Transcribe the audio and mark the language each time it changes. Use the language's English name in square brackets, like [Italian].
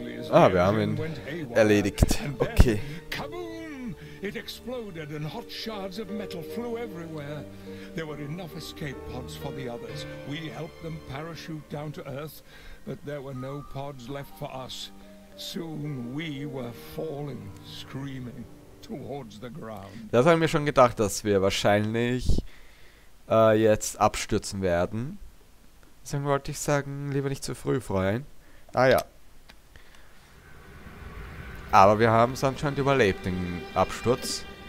[German] Ah, wir haben ihn erledigt. [English] Okay. Kaboom! It exploded and hot shards of metal flew everywhere. There were enough escape pods for the others. We helped them parachute down to Earth, but there were no pods left for us. Soon we were falling, screaming towards the ground. [German] Das haben wir schon gedacht, dass wir wahrscheinlich jetzt abstürzen werden. Deswegen wollte ich sagen, lieber nicht zu früh freuen. Ah ja. Aber wir haben es anscheinend überlebt, den Absturz.